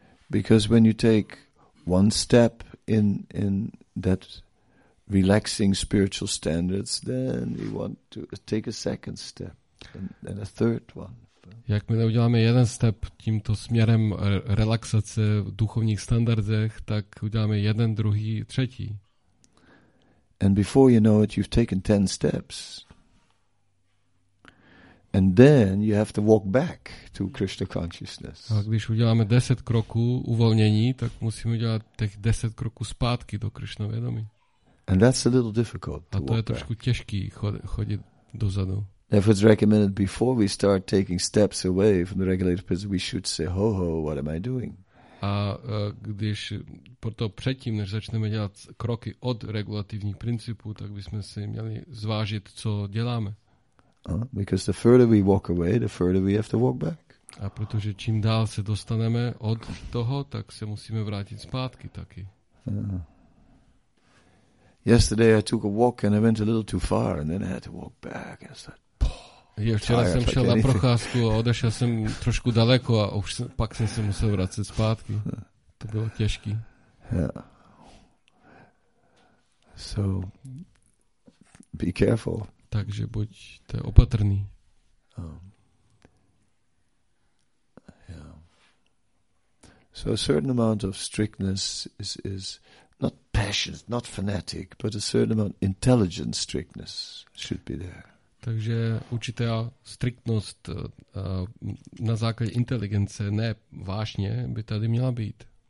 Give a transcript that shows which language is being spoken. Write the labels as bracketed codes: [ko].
[en] Because when you take one step in that relaxing spiritual standards, then you want to take a second step and a third one. [cs] Jakmile uděláme jeden step tímto směrem relaxace v duchovních standardech, tak uděláme jeden, druhý, třetí. [en] And before you know it, you've taken 10 steps. And then you have to walk back to Krishna consciousness. [cs] A když uděláme 10 kroků uvolnění, tak musíme udělat těch 10 kroků zpátky do Krishna vědomí. [en] And that's a little difficult. [cs] A to je trošku těžký chodit dozadu. [en] If it's recommended before we start taking steps away from the regulated principle, we should say, "Ho ho, what am I doing?" [cs] A když proto předtím, než začneme dělat kroky od regulativních principů, tak bychom si měli zvážit, co děláme. [en] Because the further we walk away, the further we have to walk back. [cs] A protože čím dál se dostaneme od toho, tak se musíme vrátit zpátky taky. [en] Yesterday I took a walk and I went a little too far and then I had to walk back and start. [cs] Včera jsem šel na procházku a odešel jsem trošku daleko a už pak jsem se musel vracet zpátky. To bylo těžký. [en] So be careful. [cs] Takže buďte opatrný. [en] So a certain amount of strictness is not passionate, not fanatic, but a certain amount of intelligent strictness should be there. [cs] Takže určitá striktnost na základě inteligence, ne vášně, by tady měla být.